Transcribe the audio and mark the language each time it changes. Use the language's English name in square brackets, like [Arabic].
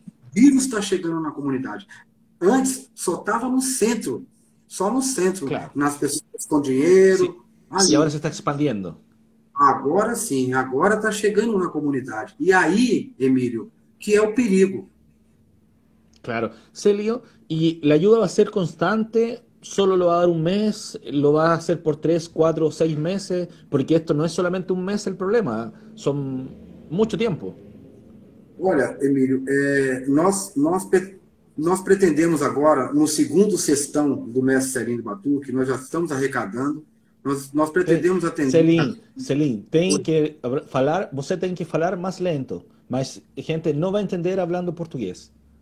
[Portuguese] o vírus está chegando na comunidade. Antes só estava no centro, só no centro, Claro. nas pessoas com dinheiro, [Spanish] Sí, ahora [Portuguese] ali. [Spanish] se está expandiendo. [Portuguese] Agora sim, agora está chegando na comunidade. E aí, Emílio, que é o perigo. Claro. [Spanish] Celio, ¿y la ayuda va a ser constante? ¿Solo lo va a dar un mes? ¿Lo va a hacer por 3, 4 o 6 meses? Porque esto no es solamente un mes el problema, son mucho tiempo. [Portuguese] Olha, Emílio, nós pretendemos agora, no segundo sextão do mestre Celinho Batu, que nós já estamos arrecadando, nós pretendemos atender. Celine, tem que falar, você tem que falar mais lento, mas a gente não vai entender falando português.